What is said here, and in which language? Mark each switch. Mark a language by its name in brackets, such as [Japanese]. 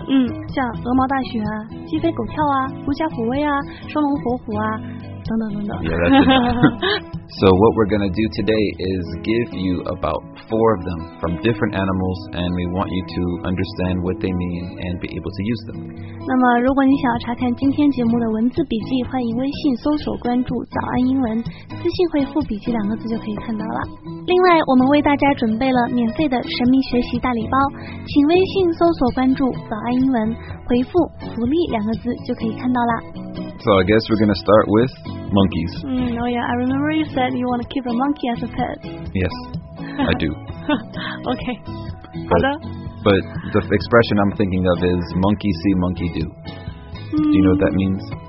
[Chinese] 嗯，像鹅毛大雪啊，鸡飞狗跳啊，狐假虎威啊，双龙活虎啊，等等等等。 [English] Yeah, that's enough. So what we're going to do today is give you about four of them from different animals, and we want you to understand what they mean and be able to use them. [Chinese] 那么如果你想要查看今天节目的文字笔记，欢迎微信搜索关注早安英文，私信回复笔记两个字就可以看到了。另外我们为大家准备了免费的神秘学习大礼包，请微信搜索关注早安英文，回复福利两个字就可以看到了。 [English] So I guess we're going to start with monkeys. Oh yeah, I remember you said you want to keep a monkey as a pet. Yes, I do. [Chinese] Okay, 好的。 [English] But the expression I'm thinking of is monkey see, monkey do. Do you know what that means?